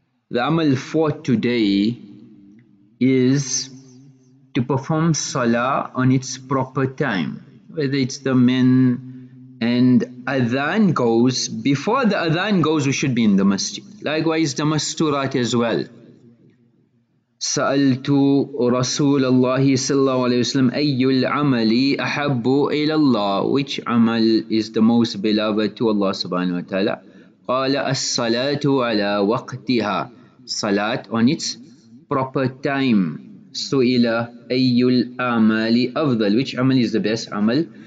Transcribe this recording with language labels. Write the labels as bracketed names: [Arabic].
[English] The amal for today is to perform salah on its proper time, whether it's the men and adhan goes, before the adhan goes, we should be in the masjid. Likewise, the masturat as well. [Arabic] سَأَلْتُ رَسُولَ اللَّهِ صَلَّى اللَّهِ عَلَيْهِ وَسَلَّمَ أَيُّ الْعَمَلِ أَحَبُّ إِلَى اللَّهِ, [English] which amal is the most beloved to Allah subhanahu wa ta'ala? [Arabic] قَالَ الصَّلَاةُ عَلَى وَقْتِهَا, [English] salat on its proper time. [Arabic] سُئِلَ أَيُّ الْعَمَلِ أَفْضَلُ, [English] which amal is the best amal?